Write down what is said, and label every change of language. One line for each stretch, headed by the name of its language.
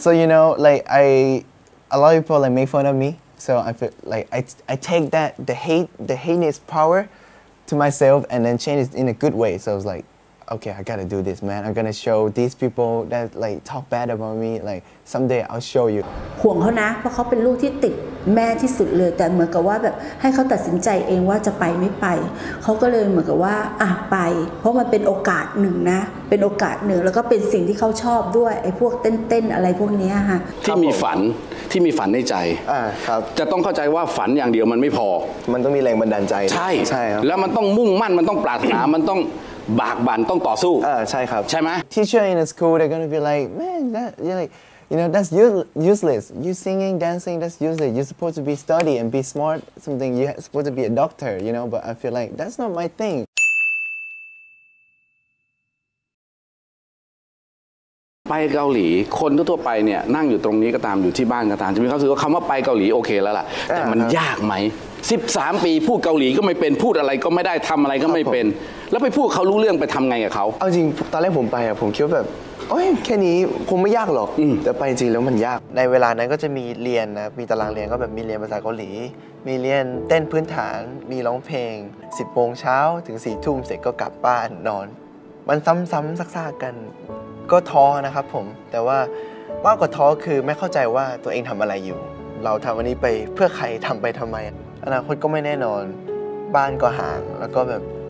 English: So you know, like a lot of people like make fun of me. So I feel like I take that the hate is power to myself and then change it in a good way. So I was like, okay, I gotta do this, man. I'm gonna show these people that like talk bad about me. Like someday I'll show you.
Thai: ห่วงเขานะเพราะเขาเป็นลูกที่ติดแม่ที่สุดเลยแต่เหมือนกับว่าแบบให้เขาตัดสินใจเองว่าจะไปไม่ไปเขาก็เลยเหมือนกับว่าอ่ะไปเพราะมันเป็นโอกาสหนึ่งนะเป็นโอกาสหนึ่งแล้วก็เป็นสิ่งที่เขาชอบด้วยไอ้พวกเต้นๆอะไรพวกนี้ค่ะ ที่มีฝันในใจจะต้องเข้าใจว่าฝันอย่างเดียวมันไม่พอ มันต้องมีแรงบันดาลใจ ใช่ ใช่ครับ แล้วมันต้องมุ่งมั่นมันต้องปรารถนามันต้องบากบั่นต้องต่อสู้ใช่ครับ ใช่ไหม
English: Teacher in the school they're gonna be like man that you're like you know that's useless you singing dancing that's useless you're supposed to be study and be smart something you're supposed to be a doctor you know but I feel like that's not my thing
Thai: ไปเกาหลีคนทั่วไปเนี่ยนั่งอยู่ตรงนี้ก็ตามอยู่ที่บ้านก็ตามจะมีความรู้สึกว่าคำว่าไปเกาหลีโอเคแล้วล่ะแต่มันยากไหม13ปีพูดเกาหลีก็ไม่เป็นพูดอะไรก็ไม่ได้ทำอะไรก็ไม่เป็นแล้วไปพูดเขารู้เรื่องไปทำไงกับเขา เอาจริงตอนแรกผมไปอ่ะผมคิดว่าแบบโอ้ยแค่นี้คงไม่ยากหรอกแต่ไปจริงแล้วมันยากในเวลานั้นก็จะมีเรียนนะมีตารางเรียนก็แบบมีเรียนภาษาเกาหลีมีเรียนเต้นพื้นฐานมีร้องเพลง10โมงเช้าถึง4ทุ่มเสร็จก็กลับบ้านนอนมันซ้ำๆซากๆกันก็ท้อนะครับผมแต่ว่ามากกว่าท้อคือไม่เข้าใจว่าตัวเองทำอะไรอยู่เราทำอันนี้ไปเพื่อใครทำไปทำไมอนาคตก็ไม่แน่นอนบ้านก็ห่างแล้วก็แบบ